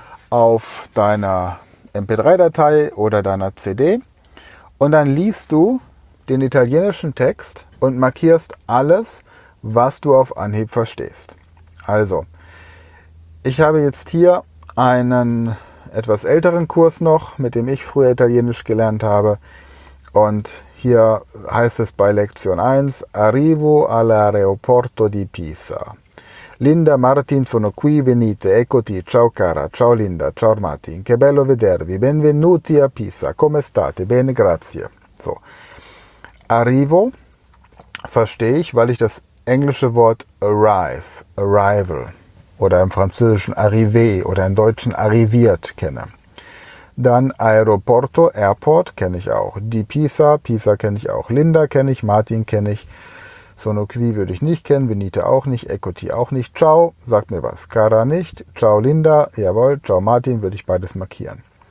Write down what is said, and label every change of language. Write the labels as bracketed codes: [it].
[de] Auf deiner MP3-Datei oder deiner CD, und dann liest du den italienischen Text und markierst alles, was du auf Anhieb verstehst. Also, ich habe jetzt hier einen etwas älteren Kurs noch, mit dem ich früher Italienisch gelernt habe, und hier heißt es bei Lektion 1: [it] Arrivo all'aeroporto di Pisa. Linda, Martin, sono qui, venite, eccoti, ciao cara, ciao Linda, ciao Martin, che bello vedervi, benvenuti a Pisa, come state, bene, grazie. [de] So, arrivo, verstehe ich, weil ich das englische Wort arrive, arrival, oder im Französischen arrivé, oder im Deutschen arriviert kenne. Dann aeroporto, airport, kenne ich auch, di Pisa, Pisa kenne ich auch, Linda kenne ich, Martin kenne ich, [it] Sono qui [de] würde ich nicht kennen, Venite auch nicht, Ecoti auch nicht, Ciao, sagt mir was, Cara nicht, [it] Ciao Linda, [de] jawohl, [it] Ciao Martin, [de] würde ich beides markieren.